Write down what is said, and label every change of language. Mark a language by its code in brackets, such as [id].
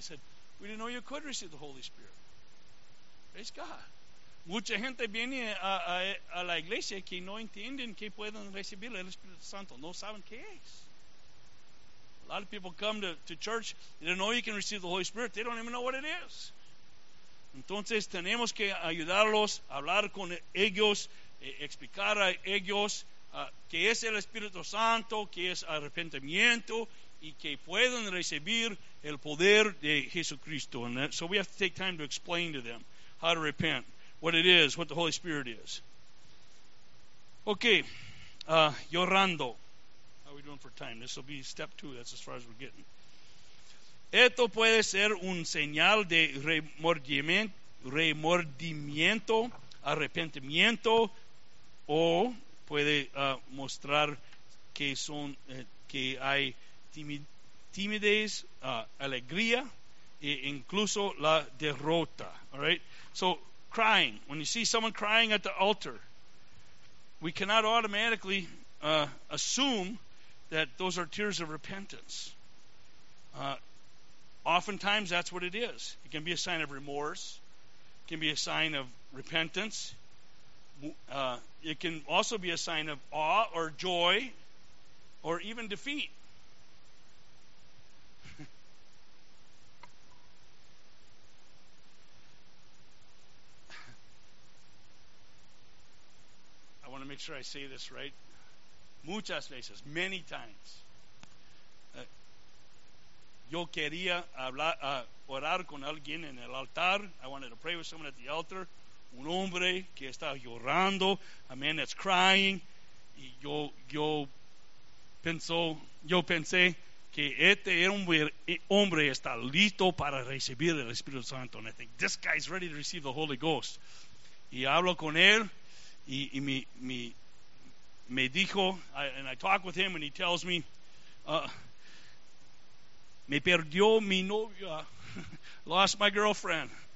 [en] And he said, we didn't know you could receive the Holy Spirit. Praise God. [es] Mucha gente viene a la iglesia que no entienden que pueden recibir el Espíritu Santo. No saben qué es. [en] A lot of people come to church, they don't know you can receive the Holy Spirit. They don't even know what it is. [es] Entonces tenemos que ayudarlos, hablar con ellos, explicar a ellos que es el Espíritu Santo, que es arrepentimiento y que pueden recibir el poder de Jesucristo. [en] And that, so we have to take time to explain to them how to repent, what it is, what the Holy Spirit is. Okay, [es] llorando. [en] How are we doing for time? This will be step 2. That's as far as we're getting. [es] Esto puede ser un señal de remordimiento, arrepentimiento, o puede mostrar que son que hay timidez, alegría e incluso la derrota. [en] All right? So crying, when you see someone crying at the altar, we cannot automatically assume that those are tears of repentance. Oftentimes that's what it is. It can be a sign of remorse, it can be a sign of repentance, it can also be a sign of awe or joy or even defeat. I want to make sure I say this right. [es] Muchas veces, [en] many times, [es] yo quería hablar, orar con alguien en el altar. [en] I wanted to pray with someone at the altar. [es] Un hombre que estaba llorando, [en] a man that's crying. [es] Y yo pensé que este hombre está listo para recibir el Espíritu Santo. [en] And I think, this guy is ready to receive the Holy Ghost. [es] Y hablo con él, y me dijo, [en] and I talk with him, and he tells me, [es] me perdió mi novia. [en] Lost my girlfriend.